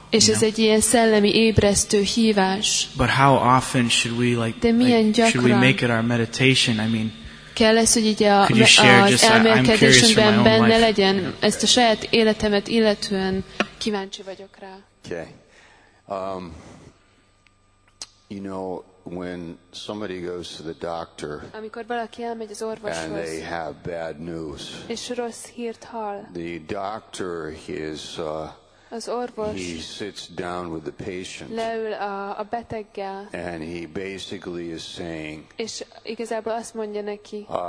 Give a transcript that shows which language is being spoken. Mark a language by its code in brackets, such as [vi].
[hu] És ez egy ilyen szellemi ébresztő hívás. [en] But how often should we like, [hu] de milyen gyakran [en] should we make it our meditation? I mean, [hu] kell ez, hogy így az elmélkedésünkben benne legyen, ezt a saját életemet illetően kíváncsi vagyok rá. [en] Okay. You know, when somebody goes to the doctor, [hu] amikor valaki elmegy az orvoshoz, [en] and they have bad news, [hu] és rossz hírt hall, [en] the doctor is, [hu] az orvos, [en] he sits down with the patient, [hu] leül a beteggel, [en] and he basically is saying, [hu] és igazából azt mondja neki,